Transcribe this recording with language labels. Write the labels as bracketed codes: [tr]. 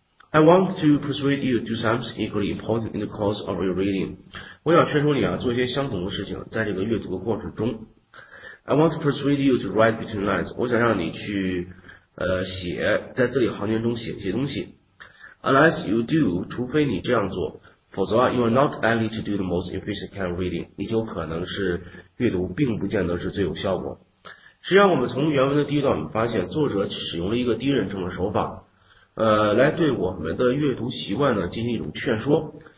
[en] I want to persuade you to do something equally important in the course of your reading。 [zh] 我想劝说你啊，做一些相同的事情，在这个阅读的过程中。 [en] I want to persuade you to write between lines。 [zh] 我想让你去写在字里行间中写一些东西。 [en] Unless you do， [zh] 除非你这样做。否则啊， [en] you are not likely to do the most efficient kind of reading， [zh] 你就可能是阅读并不见得是最有效果。实际上，我们从原文的第一段，我们发现作者使用了一个第一人称的手法，来对我们的阅读习惯呢进行一种劝说。